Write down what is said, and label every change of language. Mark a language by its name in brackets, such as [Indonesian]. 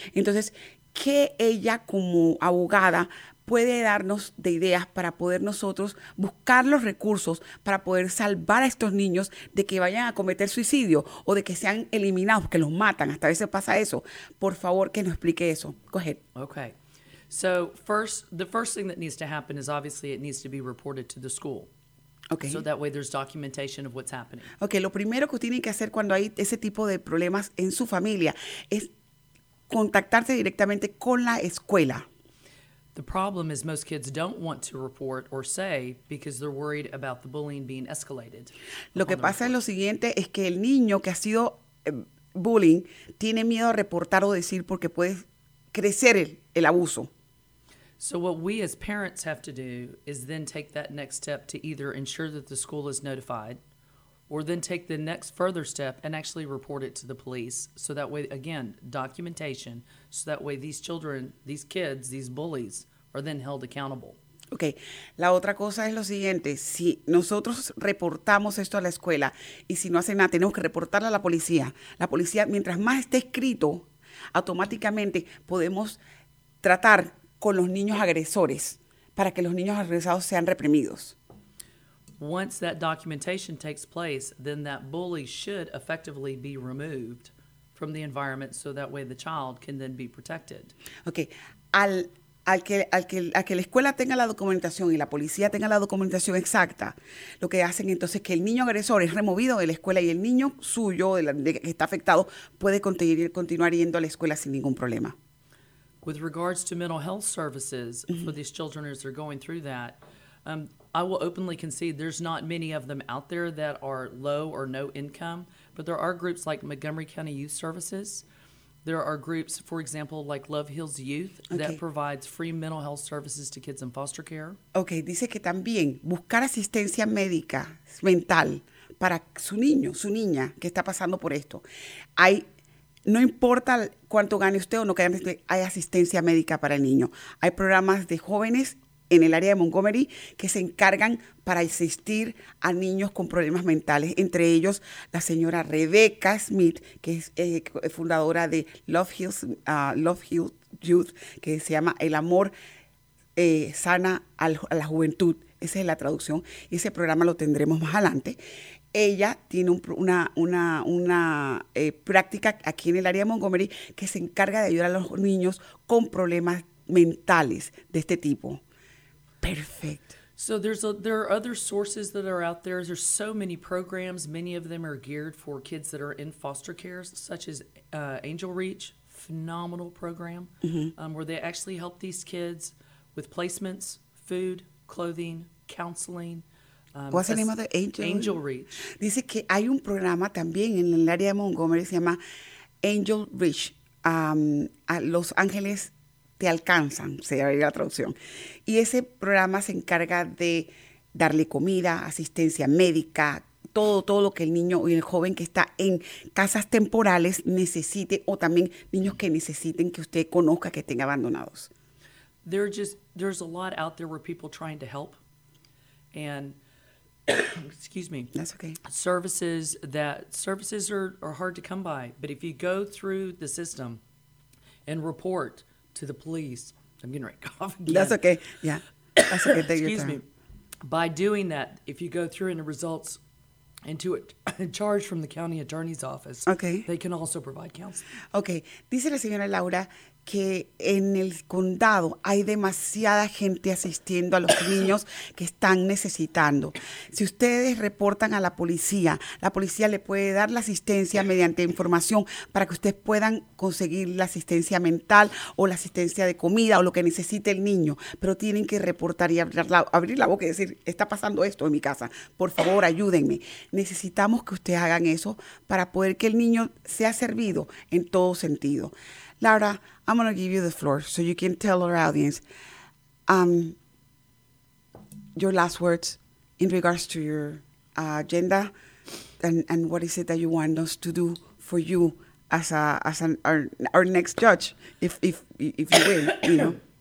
[Spanish] Entonces, ¿qué ella como abogada puede darnos de ideas para poder nosotros buscar los recursos para poder salvar a estos niños de que vayan a cometer suicidio o de que sean eliminados, que los matan? Hasta a veces pasa eso. Por favor, que nos explique eso. [English] Go ahead. Okay. So, the first thing that needs to happen is obviously it needs to be reported to the school. Okay. So that way there's documentation of what's happening. [Spanish] Okay, lo primero que tienen que hacer cuando hay ese tipo de problemas en su familia es contactarse directamente con la escuela. [English] The problem is most kids don't want to report or say because they're worried about the bullying being escalated. [Spanish] Lo que pasa es lo siguiente, es que el niño que ha sido bullying tiene miedo a reportar o decir porque puede crecer el abuso. [English] So what we as parents have to do is then take that next step to either ensure that the school is notified or then take the next further step and actually report it to the police. So that way, again, documentation, so that way these children, these kids, these bullies are then held accountable. [Spanish] Okay. La otra cosa es lo siguiente. Si nosotros reportamos esto a la escuela y si no hacen nada, tenemos que reportarlo a la policía. La policía, mientras más esté escrito, automáticamente podemos tratar con los niños agresores, para que los niños agresados sean reprimidos. [English] Once that documentation takes place, then that bully should effectively be removed from the environment so that way the child can then be protected. Okay. [Spanish] Al que la escuela tenga la documentación y la policía tenga la documentación exacta, lo que hacen entonces es que el niño agresor es removido de la escuela y el niño suyo, que está afectado, puede continuar yendo a la escuela sin ningún problema. [English] With regards to mental health services for these children as they're going through that, I will openly concede there's not many of them out there that are low or no income, but there are groups like Montgomery County Youth Services. There are groups, for example, like Love Heals Youth that provides free mental health services to kids in foster care. [Spanish] Okay, dice que también buscar asistencia médica mental para su niño, su niña que está pasando por esto. No importa cuánto gane usted o no gane usted, hay asistencia médica para el niño. Hay programas de jóvenes en el área de Montgomery que se encargan para asistir a niños con problemas mentales. Entre ellos, la señora Rebecca Smith, que es fundadora de Love Heals Youth, que se llama El Amor Sana a la Juventud. Esa es la traducción. Ese programa lo tendremos más adelante. Ella tiene una práctica aquí en el área de Montgomery que se encarga de ayudar a los niños con problemas mentales de este tipo. Perfecto. [English] So there are other sources that are out there. There's so many programs. Many of them are geared for kids that are in foster care, such as Angel Reach, phenomenal program, where they actually help these kids with placements, food, clothing, counseling. [Spanish] ¿Cuál es el nombre de Angel Reach? Dice que hay un programa también en el área de Montgomery que se llama Angel Reach. Los ángeles te alcanzan, se haría la traducción. Y ese programa se encarga de darle comida, asistencia médica, todo lo que el niño y el joven que está en casas temporales necesite, o también niños que necesiten que usted conozca que estén abandonados. [English] There's a lot out there where people trying to help. And excuse me. That's okay. Services are hard to come by, but if you go through the system and report to the police I'm getting ready to cough again. That's okay. Yeah. That's okay. Take your time. By doing that, if you go through in the results into a charge from the county attorney's office, okay, they can also provide counseling. Okay. [Spanish] Dice la señora Laura que en el condado hay demasiada gente asistiendo a los niños que están necesitando. Si ustedes reportan a la policía le puede dar la asistencia mediante información para que ustedes puedan conseguir la asistencia mental o la asistencia de comida o lo que necesite el niño. Pero tienen que reportar y abrir la boca y decir, está pasando esto en mi casa. Por favor, ayúdenme. Necesitamos que ustedes hagan eso para poder que el niño sea servido en todo sentido. [English] Laura, I'm going to give you the floor so you can tell our audience your last words in regards to your agenda and what is it that you want us to do for you as our next judge, if you win, you know.